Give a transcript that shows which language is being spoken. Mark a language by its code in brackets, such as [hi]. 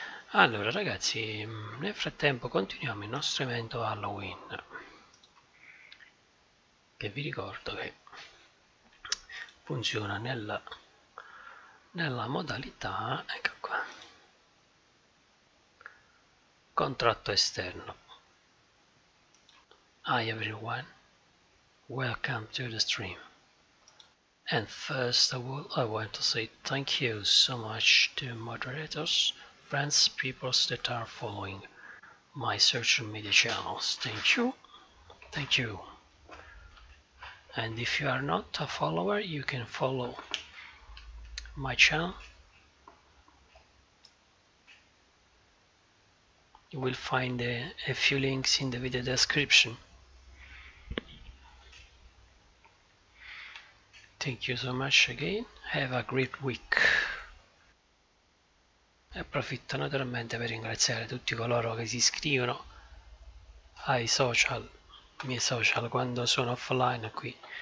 [it] Allora, ragazzi, nel frattempo continuiamo il nostro evento Halloween. Che vi ricordo che funziona nella modalità, ecco qua, contratto esterno. [en] Hi everyone, welcome to the stream. And first of all, I want to say thank you so much to moderators, friends, peoples that are following my social media channels. Thank you. Thank you. And if you are not a follower, you can follow my channel. You will find a few links in the video description. Thank you so much again, have a great week. [it] E approfitto naturalmente per ringraziare tutti coloro che si iscrivono ai social, miei social, quando sono offline qui.